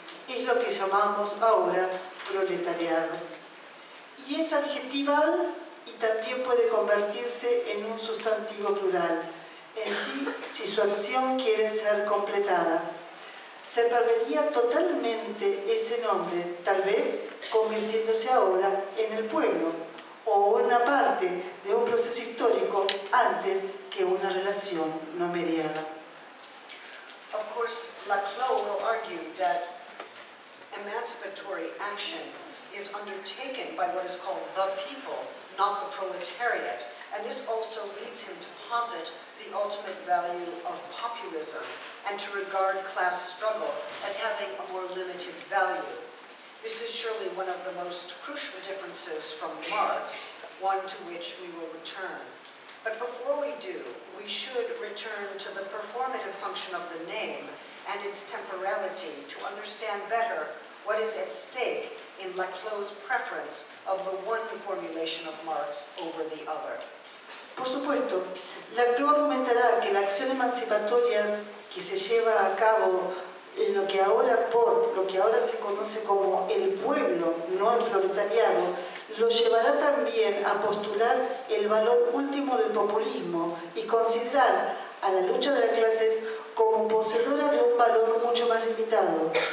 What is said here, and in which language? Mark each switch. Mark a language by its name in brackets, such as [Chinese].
[Spanish] es lo que llamamos ahora proletariado. Y es adjetival y también puede convertirse en un sustantivo plural, en sí, si su acción quiere ser completada. Se perdería totalmente ese nombre, tal vez convirtiéndose ahora en el pueblo, o una parte de un proceso histórico antes que una relación no mediada. [English] Of course, Laclau will argue that emancipatory action is undertaken by what is called the people, not the proletariat, and this also leads him to posit the ultimate value of populism and to regard class struggle as having a more limited value. This is surely one of the most crucial differences from Marx, one to which we will return. But before we do, we should return to the performative function of the name and its temporality to understand better what is at stake in Laclau's preference of the one formulation of Marx over the other. [Spanish] Por supuesto, Laclau argumentará que la acción emancipatoria que se lleva a cabo en lo que ahora se conoce como el pueblo, no el proletariado, lo llevará también a postular el valor último del populismo y considerar a la lucha de las clases como poseedora de un valor mucho más limitado.